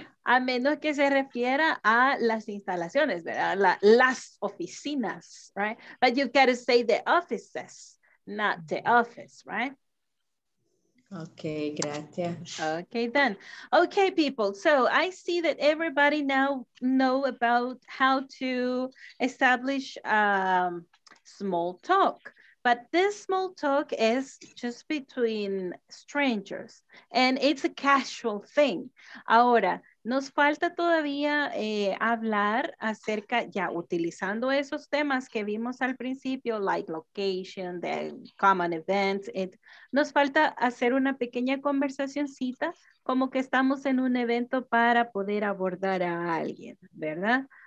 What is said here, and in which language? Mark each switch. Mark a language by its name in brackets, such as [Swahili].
[Spanish] A menos que se refiera a las instalaciones, ¿verdad? Las oficinas, right? [English] But you've got to say the offices, not the office, right? [Spanish] Okay, gracias. [English] Okay, then. Okay, people. So I see that everybody now know about how to establish small talk, but this small talk is just between strangers and it's a casual thing. [Spanish] Ahora, nos falta todavía hablar acerca, ya utilizando esos temas que vimos al principio, [English] like location, the common events, [Spanish] nos falta hacer una pequeña conversacioncita, como que estamos en un evento para poder abordar a alguien, ¿verdad?